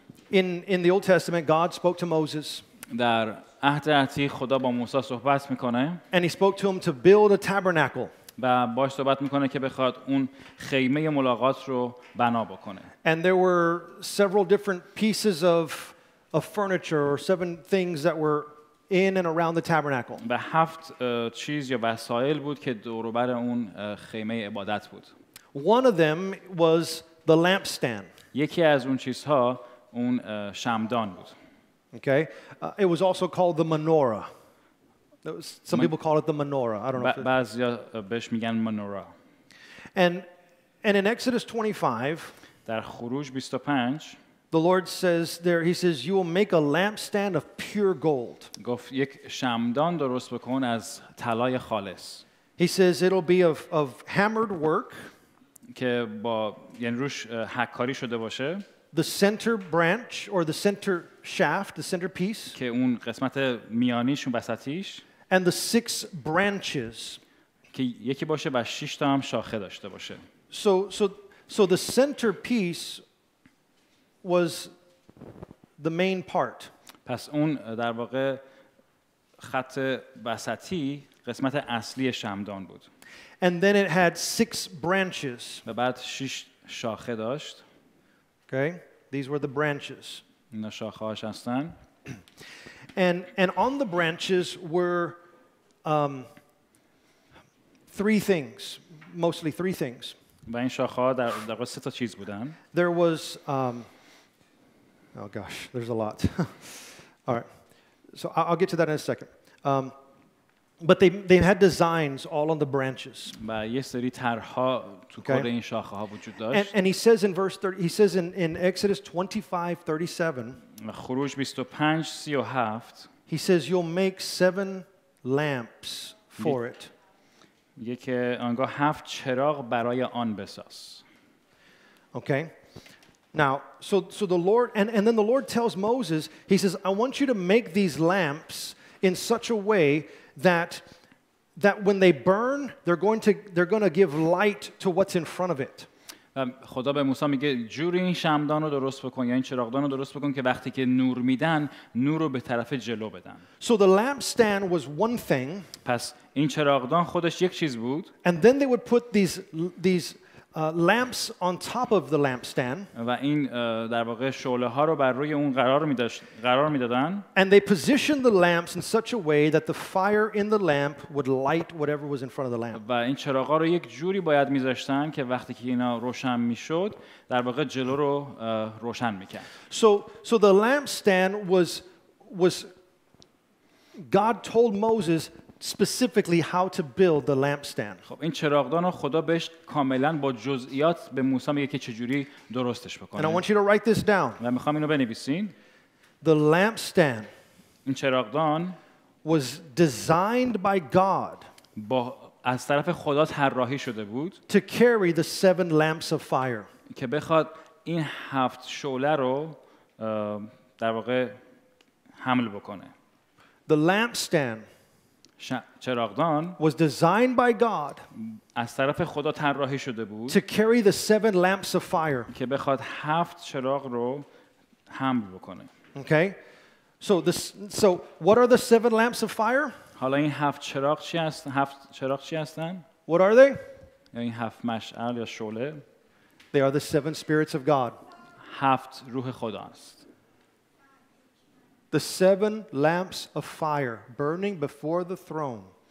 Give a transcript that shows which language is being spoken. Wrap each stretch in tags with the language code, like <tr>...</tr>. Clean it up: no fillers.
<en>In the Old Testament God spoke to Moses.</en> <fa>در عهد عتیق خدا با موسی صحبت میکنه.</fa> <en>And he spoke to him to build a tabernacle.</en> <fa>و باش صحبت میکنه که بخواد اون خیمه ملاقات رو بنا بکنه.</fa> <en>And there were several different pieces of furniture or seven things that were in and around the tabernacle.</en> <fa>و هفت چیز یا وسایل بود که دور و بر اون خیمه عبادت بود.</fa> <en>One of them was the lampstand.</en> <fa>یکی از اون چیزها اون شمعدان بود.</fa> <en>Okay. It was also called the menorah. Some people call it the menorah. I don't know.</en> <fa>بعضیا بهش میگن menorah.</fa> <en>And in Exodus 25,</en> <fa>در خروج 25,</fa> <en>the Lord says there. He says, "You will make a lampstand of pure gold."</en> <fa>گفت یک شمعدان درست بکن از طلای خالص.</fa> <en>He says it'll be of hammered work.</en> <fa>که با یعنی روش حکاری شده باشه.</fa> <en>The center branch or the center shaft, the center piece.</en> <fa>که اون قسمت میانیش و وسطیش.</fa> <en>And the six branches.</en> <fa>که یکی باشه و شش تا هم شاخه داشته باشه.</fa> <en>So the center piece was the main part.</en> <fa>پس اون در واقع خط وسطی قسمت اصلی شمعدان بود.</fa> <en>And then it had six branches.</en> <fa>و بعد شش شاخه داشت.</fa> <en>Okay, these were the branches.</en> <fa>اینا شاخه‌هاش هستن.</fa> <en>And on the branches were three things, mostly three things.</en> <fa>و این شاخه‌ها در سه تا چیز بودن.</fa> <en>There was oh gosh, there's a lot. All right. So I'll get to that in a second. But they had designs all on the branches.</en> <fa>و یه سری طرح‌ها تو کل این شاخه‌ها وجود داشت.</fa> <en>And he says in verse 30, he says in Exodus 25:37.</en> <fa>خروج 25:37.</fa> <en>He says you'll make seven lamps for it.</en> <fa>میگه که آنگاه هفت چراغ برای آن بساز.</fa> <en>Okay. Now, so the Lord and then the Lord tells Moses, he says, I want you to make these lamps in such a way that that when they burn, they're going to give light to what's in front of it.</en> <fa>خدا به موسی میگه جوری این شمعدان رو درست بکن یا این چراغدان رو درست بکن که وقتی که نور میدن نور رو به طرف جلو بدن.</fa> <en>So the lampstand was one thing.</en> <fa>پس این چراغدان خودش یک چیز بود.</fa> <en>And then they would put these lamps on top of the lampstand.</en> <fa>و این در واقع شعله ها رو بر روی اون قرار میدادن.</fa> <en>And they positioned the lamps in such a way that the fire in the lamp would light whatever was in front of the lamp.</en> <fa>و این چراغ ها رو یک جوری باید میذاشتن که وقتی که اینا روشن میشد در واقع جلو رو روشن میکرد.</fa> <en>So the lampstand was God told Moses specifically how to build the lampstand.</en> <fa>خب این چراغدان رو خدا بهش کاملا با جزئیات به موسی میگه که چجوری درستش بکنه.</fa> <en>And I want you to write this down.</en> <fa>من میخوام اینو بنویسین.</fa> <en>The lampstand.</en> <fa>این چراغدان</fa> <en>was designed by God.</en> <fa>با از طرف خدا طراحی شده بود.</fa> <en>To carry the seven lamps of fire.</en> <fa>که بخواد این هفت شعله رو در واقع حمل بکنه.</fa> <en>The lampstand</en> <fa>چراغدان</fa> <en>was designed by God</en> <fa>از طرف خدا طراحی شده بود</fa> <en>to carry the seven lamps of fire</en> <fa>که بخواد هفت چراغ رو حمل بکنه.</fa> <en>Okay, so what are the seven lamps of fire?</en> <fa>حالا این هفت چراغ چی هستن؟</fa> <en>What are they?</en> <fa>این هفت مشعل یا شعله.</fa> <en>They are the seven spirits of God.</en> <fa>هفت روح خدا است.</fa> <en>The seven lamps of fire burning before the throne.</en>